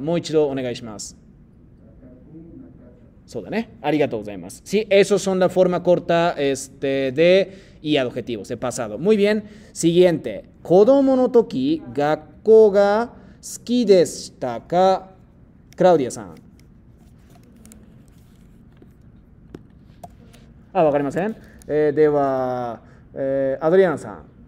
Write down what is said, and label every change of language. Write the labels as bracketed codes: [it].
[ja] もう一度お願いします。そうだね。ありがとうございます。 [es] Sí, esos son la forma corta este, de y adjetivos, de pasado. Muy bien. Siguiente. [ja] 子供の時、学校が好きでしたか？クラウディアさん。あ、わかりません。では、アドリアナさん。